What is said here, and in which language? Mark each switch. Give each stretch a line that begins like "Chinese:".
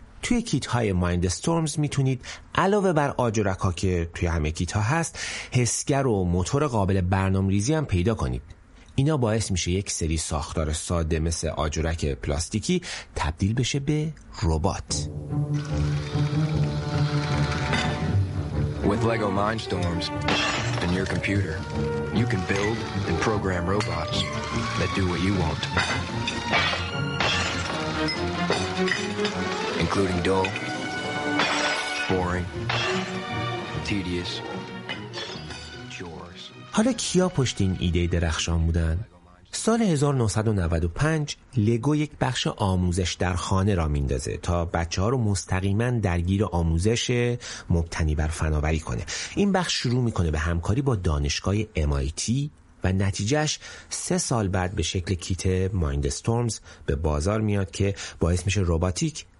Persian: توی کیت‌های مایند استورمز میتونید علاوه بر آجرک‌ها که توی همه کیت‌ها هست، حسگر و موتور قابل برنامه‌ریزی هم پیدا کنید. اینا باعث میشه یک سری ساختار ساده مثل آجرک پلاستیکی تبدیل بشه به ربات.
English: With Lego Mindstorms and your computer, you can build and program robots that do what you want. Including dull, boring, tedious chores.
Persian: حالا کیا پشت این ایده درخشان بودن؟ سال 1995 لگو یک بخش آموزش در خانه را میندازه تا بچه‌ها رو مستقیماً درگیر آموزش مبتنی بر فناوری کنه. این بخش شروع میکنه به همکاری با دانشگاه MIT و نتیجهش 3 سال بعد به شکل کیت مایند استورمز به بازار میاد که باعث میشه روباتیک